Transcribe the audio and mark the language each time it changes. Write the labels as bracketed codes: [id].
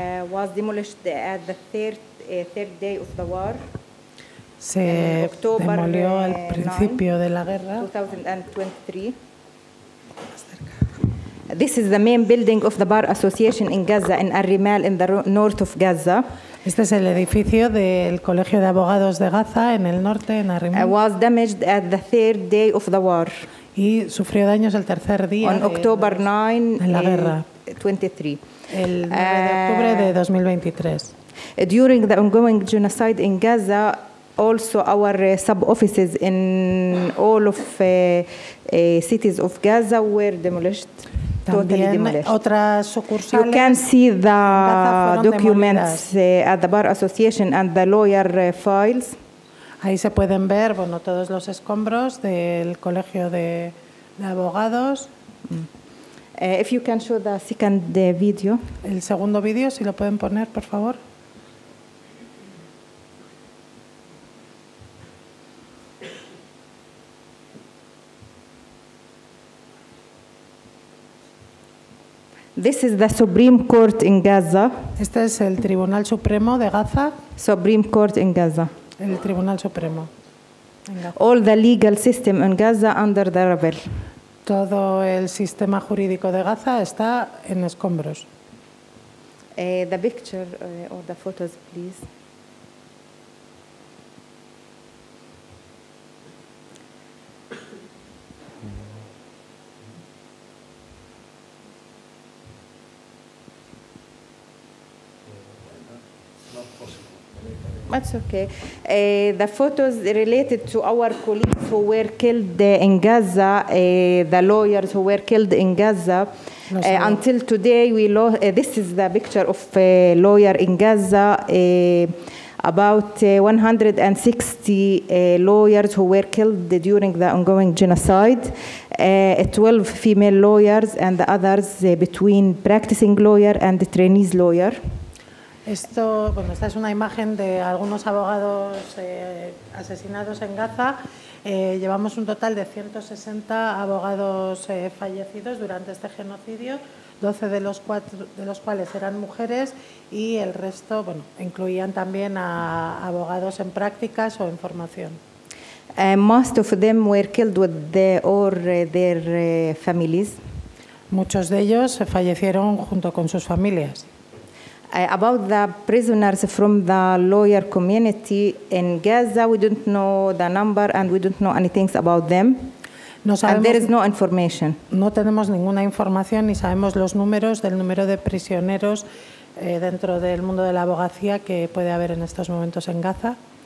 [en] Was demolished at the third day of the war. [es] Se demolió al principio de la guerra. 2023. [en] This is the main building of the Bar Association in Gaza, in Arrimel, in the north of Gaza. [es] Este es el edificio del Colegio de Abogados de Gaza en el norte, en Arrimel. [en] Was damaged at the third day of the war. [es] Y sufrió daños el tercer día en la guerra. 23. El 9 de octubre de 2023. [en] During the ongoing genocide in Gaza, also our sub offices in all of cities of Gaza were demolished. [es] También otras sucursales. [en] You can see the documents at the Bar Association and the lawyer files. [es] Ahí se pueden ver, bueno, todos los escombros del Colegio de Abogados. [en] If you can show the second video. [es] El segundo video, si lo pueden poner, por favor. [en] This is the Supreme Court in Gaza. [es] Este es el Tribunal Supremo de Gaza. [en] Supreme Court in Gaza. [es] El Tribunal Supremo. [en] All the legal system in Gaza under the rubble. [es] Todo el sistema jurídico de Gaza está en escombros. [en] The picture or the photos, please. That's okay. The photos related to our colleagues who were killed in Gaza, the lawyers who were killed in Gaza. Until today, this is the picture of a lawyer in Gaza, about 160 lawyers who were killed during the ongoing genocide, 12 female lawyers and the others between practicing lawyer and the trainees lawyer. [es] Esta es una imagen de algunos abogados asesinados en Gaza. Llevamos un total de 160 abogados fallecidos durante este genocidio, 12 de los cuales eran mujeres y el resto, bueno, incluían también a abogados en prácticas o en formación. [en] Most of them were killed with their families. [es] Muchos de ellos fallecieron junto con sus familias. [en] About the prisoners from the lawyer community in Gaza, we don't know the number and we don't know anything about them. [es] No sabemos, [en] and there is no information. [es] No tenemos ninguna información ni sabemos los números del número de prisioneros dentro del mundo de la abogacía que puede haber en estos momentos en Gaza.